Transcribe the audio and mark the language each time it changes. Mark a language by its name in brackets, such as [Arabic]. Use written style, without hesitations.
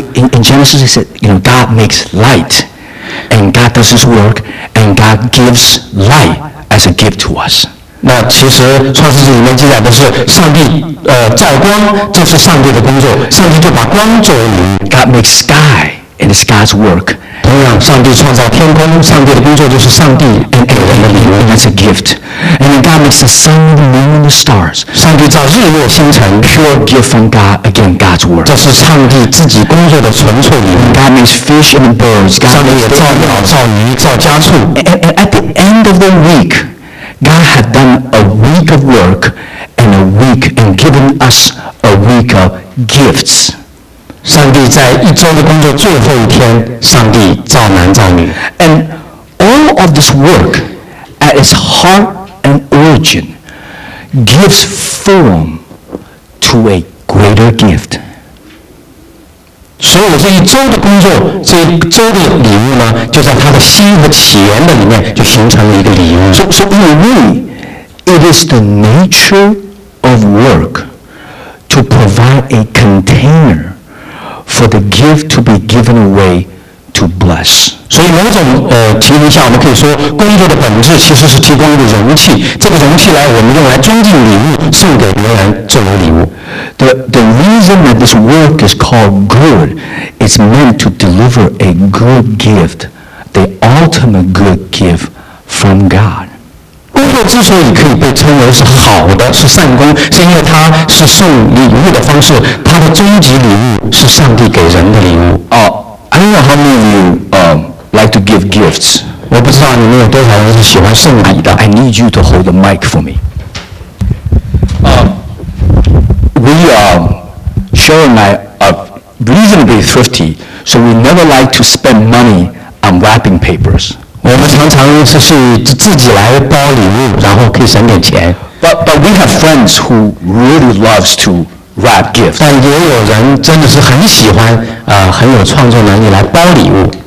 [English] In Genesis it said, you know, God makes light and God does his work and God gives light. As a gift to us. [Chinese] 那其实创世纪里面记载的是上帝造光，这是上帝的工作，上帝就把光作为礼物。 [English] God makes sky and it's God's work. [Chinese] 同样，上帝创造天空，上帝的工作就是上帝给人的礼物。 [English] And that's a gift. And then God makes the sun, moon, the stars. [Chinese] 上帝造日落星辰 [English] Pure gift from God, again, God's word. [Chinese] 这是上帝自己工作的纯粹礼物 [English] God makes fish and birds. [Chinese] 上帝也造鸟造鱼造家畜 [English] and at the end of the week, God had done a week of work and a week and given us a week of gifts. [Chinese] 上帝在一周的工作最后一天，上帝造男造女。 [English] And all of this work, at its heart and origin, gives form to a greater gift. [Chinese] 所以这一周的工作，这一周的礼物呢，就在它的心和起源的里面就形成了一个礼物。 [English] So in a way, it is the nature of work to provide a container. For the gift to be given away to bless. [Chinese] 所以某种情况下，我们可以说，工作的本质其实是提供一个容器。这个容器来，我们用来装进礼物，送给别人作为礼物。 [English] The reason that this work is called good is meant to deliver a good gift, the ultimate good gift from God. [Chinese] 工作之所以可以被称为是好的，是善工，是因为它是送礼物的方式，它的终极礼物是上帝给人的礼物。 [English] I don't know how many of you like to give gifts. [Chinese] 我不知道你们有多少人是喜欢送礼的。 [English] I need you to hold the mic for me. Cheryl and I are reasonably thrifty, so we never like to spend money on wrapping papers. [Chinese] 我们常常是去自己来包礼物，然后可以省点钱。 [English] But we have friends who really loves to wrap gifts. [Chinese] 但也有人真的是很喜欢很有创作能力来包礼物。